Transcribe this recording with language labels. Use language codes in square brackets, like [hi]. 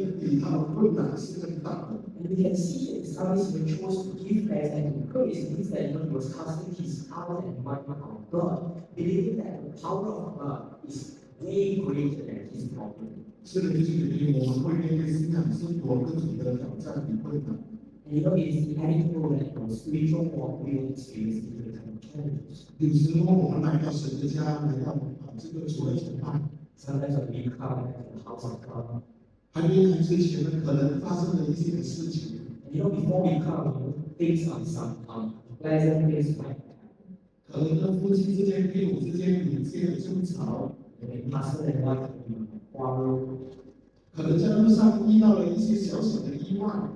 [en] And we can see in Psalms when he chose to give thanks and encourage, it means that he was casting his heart and mind on God, believing that the power of God is way greater than his problem. And you know, it is inevitable that our spiritual walk will experience different kinds of challenges. [zh] 有时候我们来到神的家，来到这个主的家中。 [en] Sometimes when we come to the house of God. [zh] 还没来之前呢，可能发生了一些事情。 [en] And you know, before we come, things are some pleasant things might happen. [zh] 可能跟夫妻之间、配偶之间有些争吵。 [en] And then husband and wife will quarrel. [zh] 可能在路上遇到了一些小小的意外。